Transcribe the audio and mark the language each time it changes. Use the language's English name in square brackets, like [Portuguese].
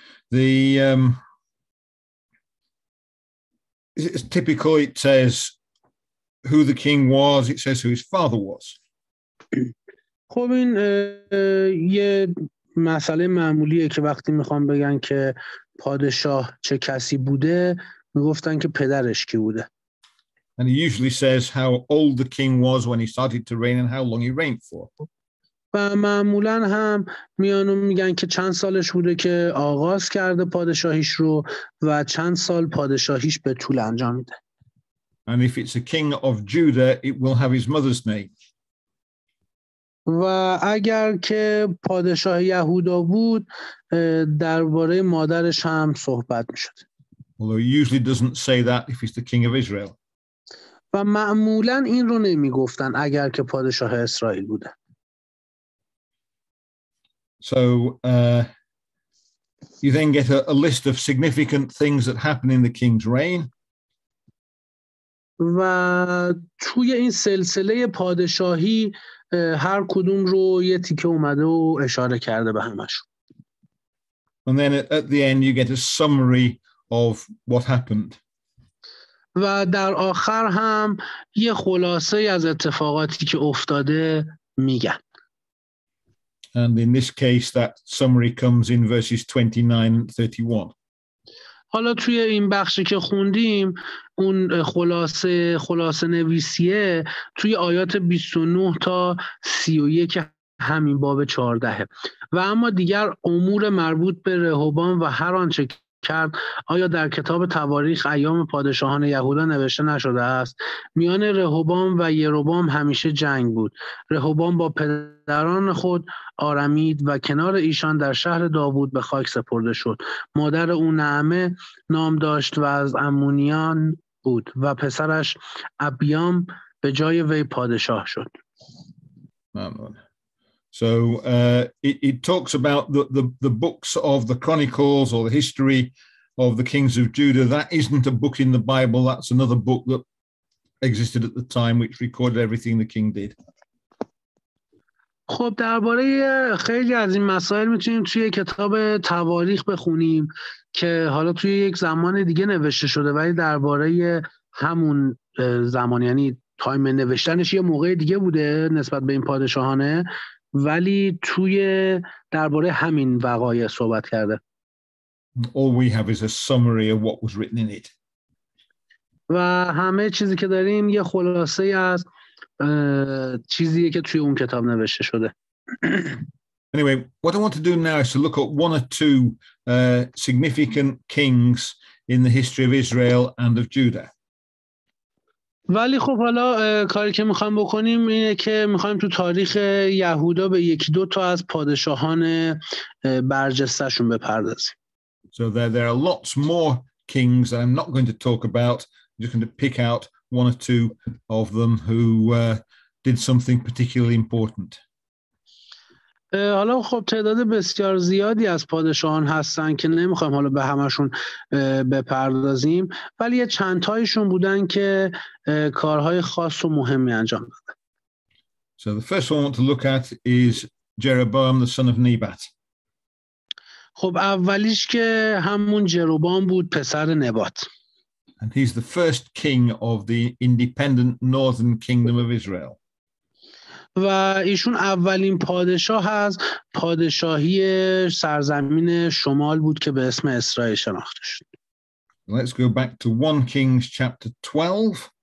[English] The typically it says who the king was, it says who his father was. [Persian] خب این یه مسئله معمولیه که وقتی میخوان بگن که پادشاه چه کسی بوده میگفتن که پدرش کی بوده. [English] And he usually says how old the king was when he started to reign and how long he reigned for. [Persian] و معمولا هم میانو میگن که چند سالش بوده که آغاز کرده پادشاهیش رو و چند سال پادشاهیش به طول انجام میده. [English] And if it's a king of Judah, it will have his mother's name. [Persian] و اگر که پادشاه یهودا بود درباره مادرش هم صحبت میشد. [English] Although he usually doesn't say that if he's the king of Israel. [Persian] و معمولا این رو نمیگفتن اگر که پادشاه اسرائیل بوده. [English] So you then get a list of significant things that happen in the king's reign. [Persian] و توی این سلسله پادشاهی هر کدوم رو یه تیکه اومده و اشاره کرده به همش. [English] And then at the end you get a summary of what happened. [Persian] و در آخر هم یه خلاصه از اتفاقاتی که افتاده میگه. [English] And in this case, that summary comes in verses 29 and 31. [Persian] حالا توی این بخشی که خوندیم، اون خلاصه نویسیه توی آیات 29 تا 31 همین باب 14. و اما دیگر امور مربوط به رهوبام و هر آنچه کرد آیا در کتاب تواریخ ایام پادشاهان یهودا نوشته نشده است؟ میان رهوبام و یروبام همیشه جنگ بود. رهوبام با پدران خود آرامید و کنار ایشان در شهر داوود به خاک سپرده شد. مادر او نعمه نام داشت و از امونیان بود و پسرش ابیام به جای وی پادشاه شد. [English] So it talks about the books of the chronicles or the history of the kings of Judah. That isn't a book in the Bible. That's another book that existed at the time, which recorded everything the king did. [Persian] خب درباره خیلی از این مسائل میتونیم توی کتاب تواریخ بخونیم که حالا توی یک زمان دیگه نوشته شده، ولی درباره همون زمان، یعنی تایم نوشتنش یه موقع دیگه بوده نسبت به این پادشاهانه، ولی توی درباره همین وقایع صحبت کرده. [English] All we have is a summary of what was written in it. [Persian] و همه چیزی که داریم یه خلاصه از چیزیه که توی اون کتاب نوشته شده. [English] Anyway, what I want to do now is to look at one or two significant kings in the history of Israel and of Judah. [Persian] ولی خب حالا کاری که میخوایم بکنیم اینه که میخوایم تو تاریخ یهودا به یکی دو تا از پادشاهان برجستشون بپردازیم. [English] So there are lots more kings that I'm not going to talk about. I'm just going to pick out one or two of them who did something particularly important. [Persian] حالا خب تعداد بسیار زیادی از پادشاهان هستن که نمیخوایم حالا به همشون بپردازیم، ولی یه چند تایشون بودن که کارهای خاص و مهمی انجام دادن. [English] So the first one I want to look at is Jeroboam the son of Nebat. [Persian] خب اولیش که همون جروبام بود، پسر نبات. [English] And he's the first king of the independent northern kingdom of Israel. [Persian] و ایشون اولین پادشاه هست، پادشاهی سرزمین شمال بود که به اسم اسرائیل شناخته شد. [English] Let's go back to 1 Kings chapter 12